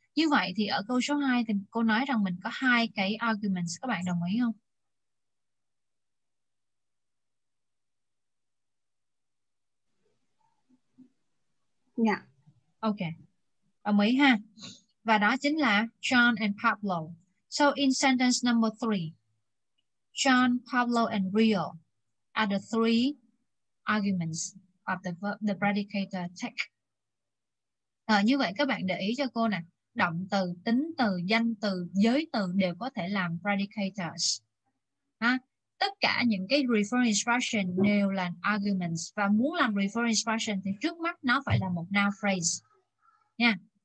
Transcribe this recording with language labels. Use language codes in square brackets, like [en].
[vi] Như vậy thì ở câu số 2 thì cô nói rằng mình có hai cái arguments. Các bạn đồng ý không? Dạ. Ok. Đồng ý ha. Và đó chính là John and Pablo. [en] So in sentence number 3, John, Pablo and Rio are the three arguments of the predicator take. [vi] Như vậy các bạn để ý cho cô nè. Động từ, tính từ, danh từ, giới từ đều có thể làm predicators. Ha? tất cả những cái referring expression đều là arguments. Và muốn làm referring expression thì trước mắt nó phải là một noun phrase. Nha.